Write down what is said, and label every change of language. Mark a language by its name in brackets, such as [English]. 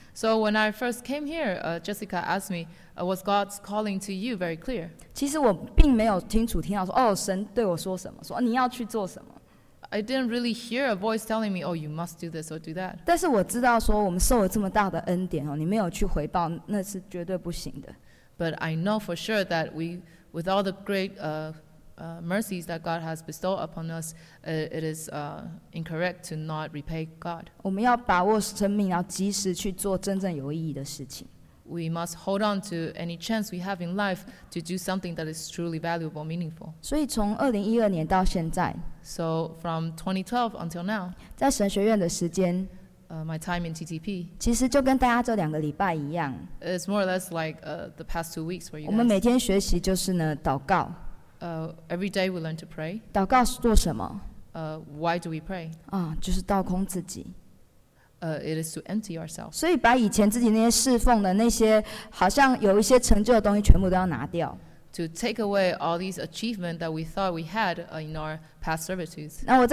[English] So when I first came here, Jessica asked me, was God's calling to you very clear? [Chinese] 其实我并没有清楚听到说，哦，神对我说什么，说你要去做什么。 [English] I didn't really hear a voice telling me, oh, you must do this or do that. [Chinese] 但是我知道说我们受了这么大的恩典，你没有去回报，那是绝对不行的。 [English] But I know for sure that we, with all the great mercies that God has bestowed upon us, it is incorrect to not repay God. [Chinese] 我们要把握生命，要及时去做真正有意义的事情。 [English] We must hold on to any chance we have in life to do something that is truly valuable, meaningful. [Chinese] 所以从2012年到现在, [English] So from 2012 until now, [Chinese] 在神学院的时间, [English] My time in TTP, [Chinese] 其实就跟大家这两个礼拜一样, [English] It's more or less like the past 2 weeks where you guys, [Chinese] 我们每天学习就是呢, 祷告。 [English] Every day we learn to pray. [Chinese] 祷告是做什么? [English] Why do we pray? [Chinese] 就是倒空自己。 [English] It is to empty ourselves. [Chinese] 所以把以前自己那些侍奉的那些好像有一些成就的东西全部都要拿掉。 [English] To take away all these achievements that we thought we had in our past servitudes.